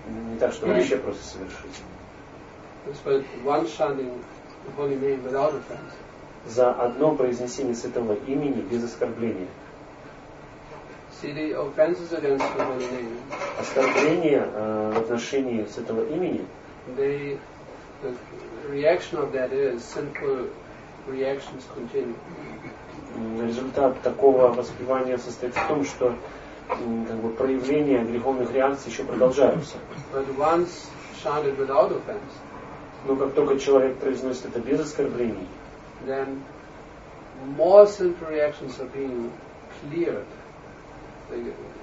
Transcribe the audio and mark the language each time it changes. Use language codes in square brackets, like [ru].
[ru] Не так, чтобы вообще просто совершить. [en] It's for one chanting the holy name without offense. [ru] За одно произнесение святого имени без оскорбления. [en] See, the offenses against the holy name. [ru] Оскорбления в отношении святого имени. [en] The reaction of that is sinful reactions continue. [ru] Результат такого воспевания состоит в том, что как бы проявления греховных реакций еще продолжаются. [en] But once chanted without offense. [ru] Но как только человек произносит это без оскорблений, [en] then more sinful reactions are being cleared. They